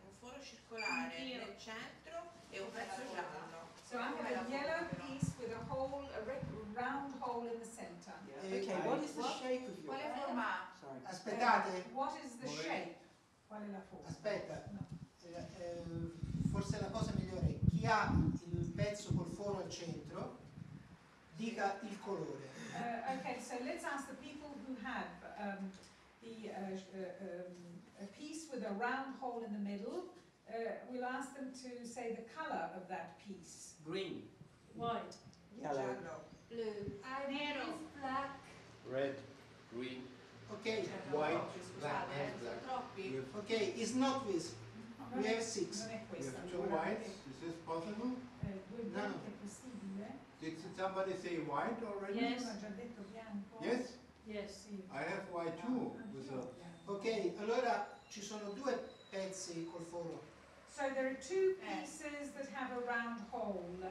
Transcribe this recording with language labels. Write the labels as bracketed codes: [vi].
[it] Foro circolare nel centro e un pezzo giallo. [en] So I have a yellow piece with a hole, a round hole in the center. Yeah. Okay, what is the shape of your? [it] Qual è la forma? [en] Sorry. [it] Aspettate. [en] What is the shape? [it] Qual è la forma? Aspetta. Forse la cosa migliore è chi ha il pezzo col foro al centro dica il colore. [en] Okay, so let's ask the people who have a piece with a round hole in the middle, we'll ask them to say the color of that piece. Green. White. Yellow. Blue. [it] Nero. [en] Black. Red. Green. Okay. Yellow. White. Black. And black. Yeah. Okay, it's not this. We have six. We have two whites. Is this possible? No. Did somebody say white already? Yes. Yes? Yes, sì. I have white too. [it] Okay, allora ci sono due pezzi col foro. [en] So there are two pieces that have a round hole.